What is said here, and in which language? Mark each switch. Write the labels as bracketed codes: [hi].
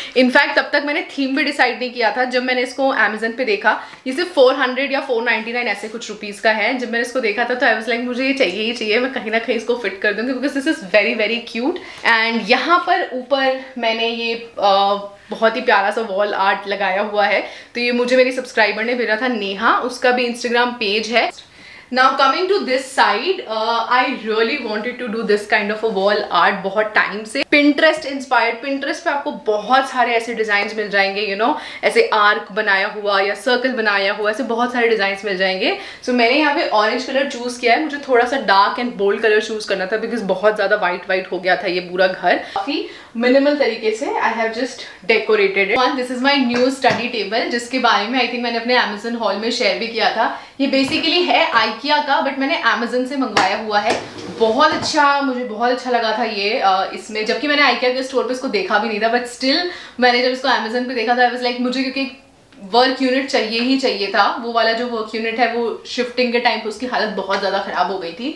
[hi] In fact तब तक मैंने थीम भी डिसाइड नहीं किया था जब मैंने इसको अमेज़न पे देखा, ये सिर्फ 400 या 499 ऐसे कुछ रुपीज का है. जब मैंने इसको देखा था तो आई वाज लाइक मुझे ये चाहिए ही चाहिए, मैं कहीं ना कहीं इसको फिट कर दूंगी [en] Because this is very very cute. [hi] And यहाँ पर ऊपर मैंने ये बहुत ही प्यारा सा वॉल आर्ट लगाया हुआ है, तो ये मुझे मेरी सब्सक्राइबर ने भेजा था नेहा, उसका भी इंस्टाग्राम पेज है. [en] Now coming to this side, I really wanted to do this kind of a wall art [hi] बहुत time से. Pinterest inspired, Pinterest पे आपको बहुत सारे ऐसे designs मिल जाएंगे, you know, ऐसे arc बनाया हुआ या circle बनाया हुआ, ऐसे बहुत सारे designs मिल जाएंगे. So मैंने यहाँ पे orange color choose किया है, मुझे थोड़ा सा dark and bold color choose करना था because बहुत ज़्यादा white हो गया था ये पूरा घर. काफ़ी minimal तरीके से [en] I have just decorated it. One, this is my new study table [hi] जिसके बारे में [en] I think [hi] मैंने अपने Amazon haul में share भी किया था. ये basically है IKEA IKEA का, बट मैंने Amazon से मंगवाया हुआ है. बहुत अच्छा, मुझे बहुत अच्छा लगा था ये इसमें, जबकि मैंने IKEA के स्टोर पे इसको देखा भी नहीं था, बट स्टिल मैंने जब इसको Amazon पे देखा था, आई वाज लाइक मुझे क्योंकि वर्क यूनिट चाहिए ही चाहिए था. वो वाला जो वर्क यूनिट है वो शिफ्टिंग के टाइम पे उसकी हालत बहुत ज्यादा खराब हो गई थी.